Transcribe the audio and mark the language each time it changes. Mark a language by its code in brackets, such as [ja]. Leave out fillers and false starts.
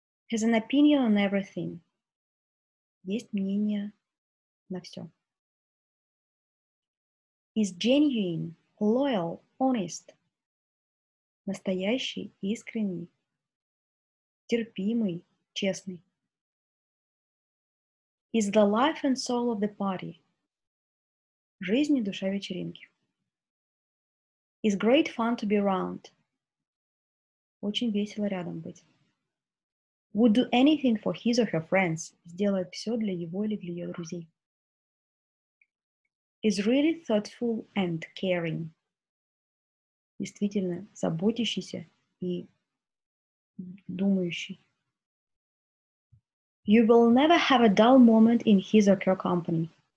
[en] Has an opinion on everything. [ru] Есть мнение на все. [en] Is genuine, loyal, honest. [ru] Настоящий, искренний, терпимый, честный. [en] Is the life and soul of the party. [ru] Жизнь и душа вечеринки. [en] Is great fun to be around. [ru] Очень весело рядом быть. [en] Would do anything for his or her friends. [ru] Сделает все для его или для ее друзей. [en] Is really thoughtful and caring. [ru] Действительно заботящийся и думающий. [en] You will never have a dull moment in his or her company.